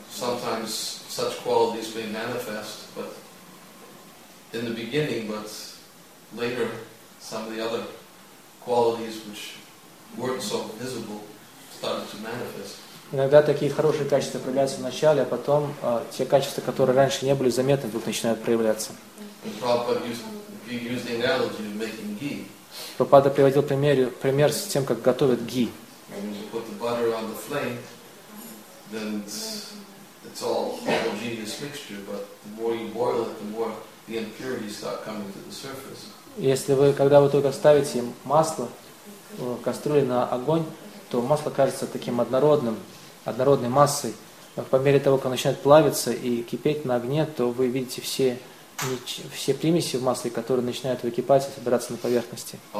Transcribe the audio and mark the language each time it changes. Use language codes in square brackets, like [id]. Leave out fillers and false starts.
[en] Sometimes such qualities may manifest, but in the beginning, but later, some of the other qualities which weren't so visible started to manifest. [ru] Иногда такие хорошие качества проявляются в начале, а потом те качества, которые раньше не были заметны, вдруг начинают проявляться. [en] Prabhupada used the analogy of making ghee. [ru] Прабхупада приводил пример с тем, как готовят ги. [en] Butter on the flame, then it's all homogeneous mixture. But the more you boil it, the more the impurities start coming to the surface. [ru] Если вы когда вы только ставите масло в кастрюле на огонь, то масло кажется таким однородным, однородной массой. Но по мере того, как оно начинает плавиться и кипеть на огне, то вы видите все примеси в масле, которые начинают выкипать и собираться на поверхности.